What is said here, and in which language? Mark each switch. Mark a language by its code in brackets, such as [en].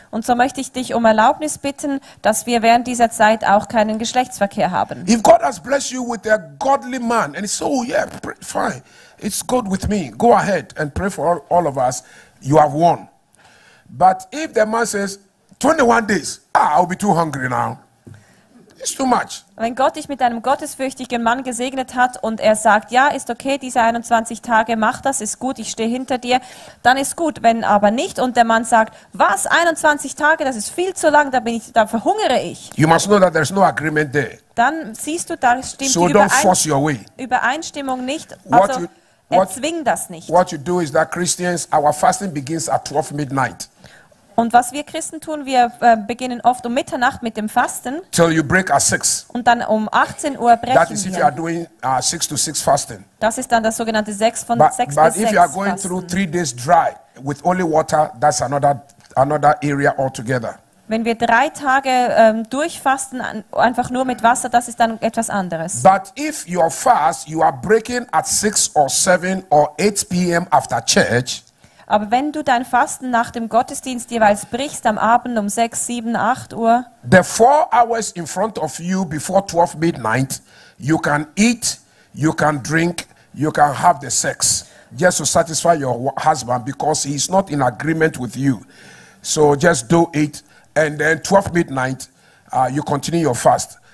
[de] Und so möchte ich dich um Erlaubnis bitten, dass wir während dieser Zeit auch keinen Geschlechtsverkehr haben. [en] If God has blessed you with a godly man, and so yeah, fine, it's good with me. Go ahead and pray for all of us. You have won. But if the man says 21 days, I'll be too hungry now. It's too much. [de] Wenn Gott dich mit einem gottesfürchtigen Mann gesegnet hat und er sagt, ja, ist okay, diese 21 Tage, mach das, ist gut, ich stehe hinter dir, dann ist gut. Wenn aber nicht und der Mann sagt, was, 21 Tage, das ist viel zu lang, da verhungere ich. [en] You must know that there's no agreement there. [de] Dann siehst du, da stimmt [en] so [de] die Übereinstimmung nicht. Also erzwing das nicht. [en] What you do is that Christians, our fasting begins at 12 midnight. [de] Und was wir Christen tun, wir beginnen oft um Mitternacht mit dem Fasten. [en] Till you break at 6. [de] Und dann um 18 Uhr brechen wir. [en] That is if you are doing 6 to 6 fasting. [de] Das ist dann das sogenannte 6 von 6 bis 6 Fasten. [en] But if you are going through 3 days dry with only water, that's another area altogether. [de] Wenn wir 3 Tage durchfasten einfach nur mit Wasser, das ist dann etwas anderes. [en] But if your fast you are breaking at 6 or 7 or 8 p.m. after church. [de] Aber wenn du dein Fasten nach dem Gottesdienst jeweils brichst am Abend um 6, 7, 8 Uhr, [en] the 4 hours in front of you before 12 midnight, you can eat, you can drink, you can have the sex, just to satisfy your husband because he's not in agreement with you. So just do it, and then 12 midnight, you continue your fast.